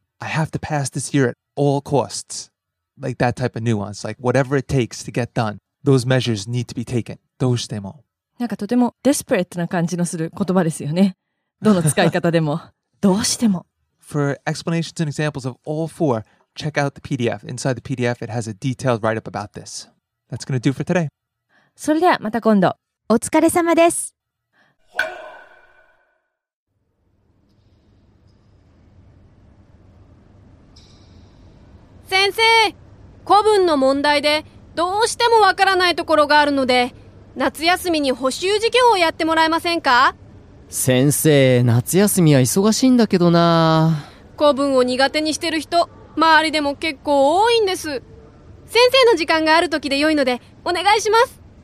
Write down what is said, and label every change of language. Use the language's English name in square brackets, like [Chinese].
[English] I have to pass this year at all costs. Like that type of nuance. Like whatever it takes to get done. Those measures need to be taken. [Japanese] どうしても。なんかとてもデスペレートな感じのする言葉ですよね。どの使い方でも。どうしても。 [English] For explanations and examples of all four, check out the PDF. Inside the PDF, it has a detailed write-up about this. That's going to do for today. [Japanese] それではまた今度。お疲れ様です。先生、古文の問題でどうしてもわからないところがあるので、夏休みに補習授業をやってもらえませんか？先生、夏休みは忙しいんだけどな。古文を苦手にしてる人、周りでも結構多いんです。先生の時間がある時でよいので、お願いします。